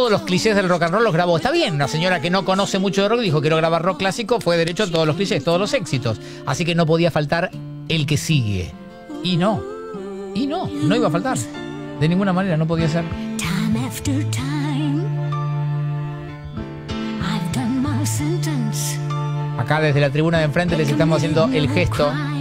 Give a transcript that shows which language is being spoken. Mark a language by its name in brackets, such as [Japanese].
[Spanish] Clichés del rock and roll los grabó. Está bien, una señora que no conoce mucho de rock dijo quiero grabar rock clásico, fue derecho a todos los clichés, todos los éxitos. Así que no podía faltar el que sigue. Y no, no iba a faltar. De ninguna manera, no podía ser. [English] Time after time, I've done my sentence. [Spanish] Acá desde la tribuna de enfrente les estamos haciendo el gesto.